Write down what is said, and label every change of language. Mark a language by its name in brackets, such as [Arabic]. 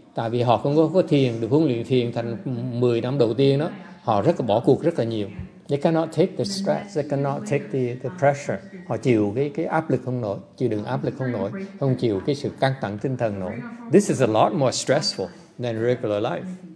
[Vietnamese] Tại vì họ không có thiền, được huấn luyện thiền thành 10 năm đầu tiên đó. Họ rất là bỏ cuộc rất là nhiều. [English] They cannot take the stress, they cannot take the pressure. [Vietnamese] Họ chịu cái áp lực không nổi, chịu đựng áp lực không nổi, không chịu cái sự căng thẳng tinh thần nổi. [English] This is a lot more stressful than regular life.